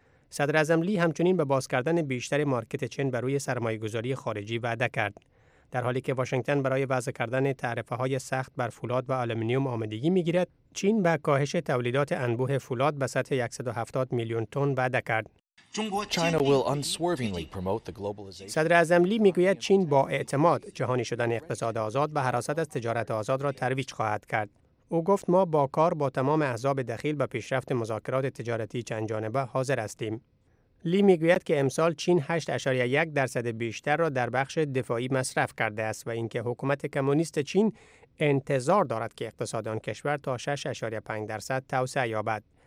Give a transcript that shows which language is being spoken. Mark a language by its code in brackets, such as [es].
[fa] صدر اعظم لی همچنین به باز کردن بیشتر مارکت چین برای سرمایه‌گذاری خارجی وعده کرد، در حالی که واشنگتن برای وضع کردن تعرفه‌های سخت بر فولاد و آلومینیوم آمادگی می‌گیرد، چین به کاهش تولیدات انبوه فولاد به سطح 170 میلیون تن وعده کرد. [en] China will unswervingly promote the globalization. [fa] صدر اعظم لی میگوید چین با اعتماد جهانی شدن اقتصاد آزاد و حراست از تجارت آزاد را ترویج خواهد کرد. او گفت ما با کار با تمام احزاب دخیل به پیشرفت مذاکرات تجارتی چند جانبه حاضر هستیم. لی میگوید که امسال چین 8.1% بیشتر را در بخش دفاعی مصرف کرده است و اینکه حکومت کمونیست چین انتظار دارد که اقتصاد آن کشور تا 6.5% توسعه یابد.